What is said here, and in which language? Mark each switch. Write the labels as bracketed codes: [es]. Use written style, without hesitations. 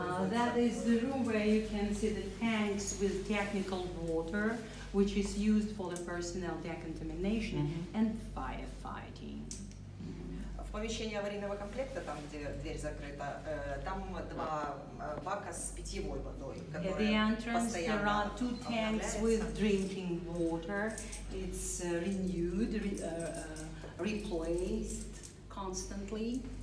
[en] That is the room where you can see the tanks with technical water, which is used for the personnel decontamination and firefighting. [ru] В помещении аварийного комплекта, там где дверь закрыта, там два бака с питьевой водой, которые [en] At the entrance there are two tanks with drinking water. It's renewed, replaced constantly.